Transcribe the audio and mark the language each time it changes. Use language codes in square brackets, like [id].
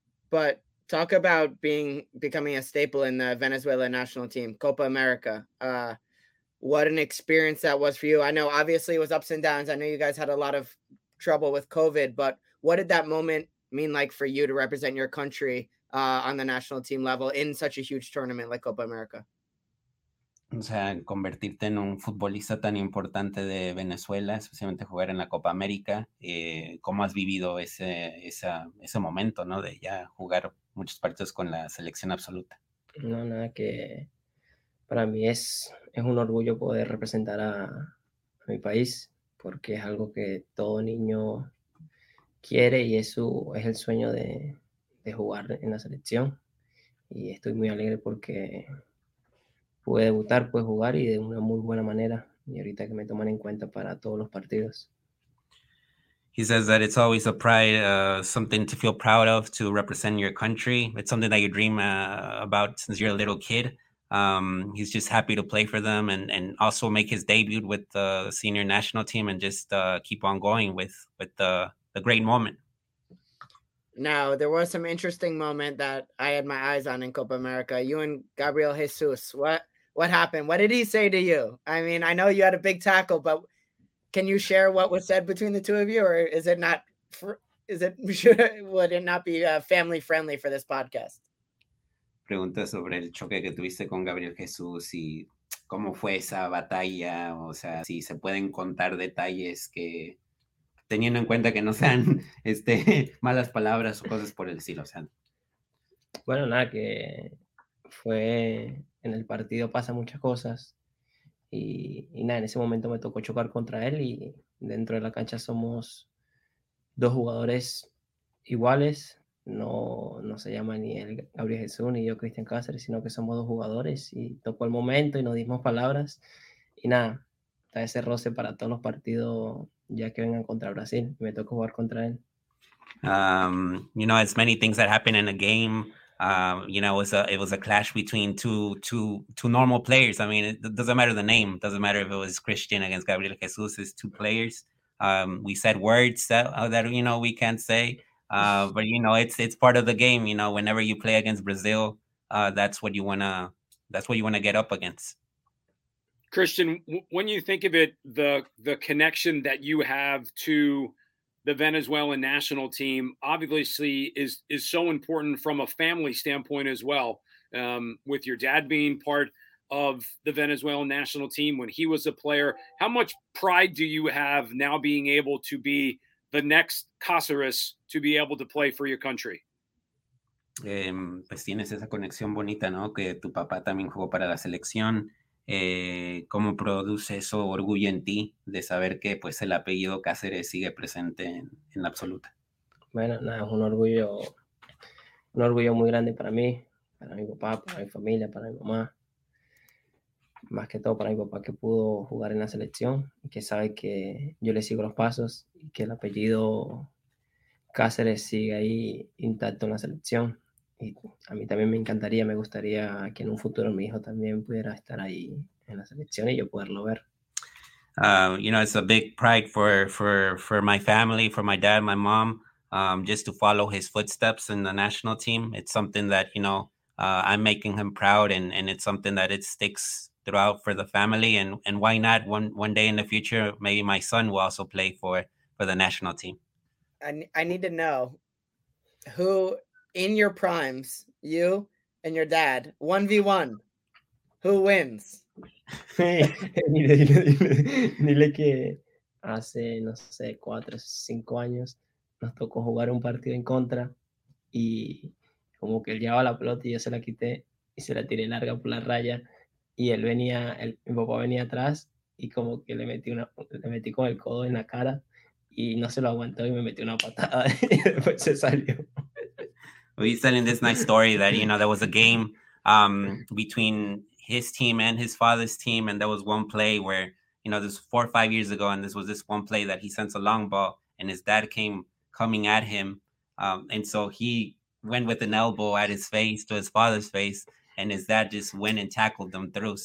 [en] But talk about becoming a staple in the Venezuela national team, Copa America. What an experience that was for you. I know obviously it was ups and downs. I know you guys had a lot of trouble with COVID, but what did that moment mean like for you to represent your country on the national team level in such a huge tournament like Copa America? [es] O sea, convertirte en un futbolista tan importante de Venezuela, especialmente jugar en la Copa América, ¿cómo has vivido ese momento, ¿no? De ya jugar muchos partidos con la selección absoluta. No, nada, que para mí es un orgullo poder representar a mi país, porque es algo que todo niño quiere y es el sueño de jugar en la selección, y estoy muy alegre porque pude debutar, pude jugar, y de una muy buena manera, y ahorita que me toman en cuenta para todos los partidos. [en] He says that it's always a pride, something to feel proud of, to represent your country. It's something that you dream about since you're a little kid. He's just happy to play for them and also make his debut with the senior national team and just keep on going with the great moment. Now, there was some interesting moment that I had my eyes on in Copa America. You and Gabriel Jesus, what happened? What did he say to you? I mean, I know you had a big tackle, but can you share what was said between the two of you, or would it not be family friendly for this podcast? [es] Pregunta sobre el choque que tuviste con Gabriel Jesus y cómo fue esa batalla. O sea, si se pueden contar detalles que, teniendo en cuenta que no sean malas palabras o cosas por el estilo, o sea. Bueno, nada, que fue en el partido, pasa muchas cosas y nada, en ese momento me tocó chocar contra él, y dentro de la cancha somos dos jugadores iguales, no se llama ni él Gabriel Jesús ni yo Cristian Cásseres, sino que somos dos jugadores, y tocó el momento y nos dimos palabras y nada, está ese roce para todos los partidos ya que vengan contra Brasil. Me tocó jugar contra él. [en] You know, as many things that happen in a game, you know, it was a clash between two normal players. I mean, it doesn't matter the name. It doesn't matter if it was Cristian against Gabriel Jesus. It's two players. We said words that you know, we can't say. But you know, it's part of the game. You know, whenever you play against Brazil, that's what you wanna get up against. Cristian, when you think of it, the connection that you have to the Venezuelan national team obviously is so important from a family standpoint as well, with your dad being part of the Venezuelan national team when he was a player. How much pride do you have now being able to be the next Cáceres to be able to play for your country? [es] Pues tienes esa conexión bonita, ¿no? Que tu papá también jugó para la selección. ¿Cómo produce eso orgullo en ti de saber que pues el apellido Cáceres sigue presente en absoluta? Bueno, nada, es un orgullo muy grande para mi papá, para mi familia, para mi mamá. Más que todo para mi papá que pudo jugar en la selección, que sabe que yo le sigo los pasos y que el apellido Cáceres sigue ahí intacto en la selección. Y a mí también me encantaría, me gustaría que en un futuro mi hijo también pudiera estar ahí en la selección y yo poderlo ver. [en] You know, it's a big pride for my family, for my dad, my mom, just to follow his footsteps in the national team. It's something that, you know, I'm making him proud, and it's something that it sticks throughout for the family. And why not one day in the future, maybe my son will also play for the national team. I need to know who in your primes, you and your dad, 1v1, who wins? [es] Dile que hace, no sé, 4 o 5 años nos tocó jugar un partido en contra y como que él llevaba la pelota y yo se la quité y se la tiré larga por la raya y él venía, mi papá venía atrás y como que le metí con el codo en la cara y no se lo aguantó y me metió una patada y después se salió. [en] Well, he's telling this nice story that, you know, there was a game between his team and his father's team, and there was one play where, you know, this 4 or 5 years ago, and this was this one play that he sent a long ball and his dad came coming at him, and so he went with an elbow at his face, to his father's face, and his dad just went and tackled them through.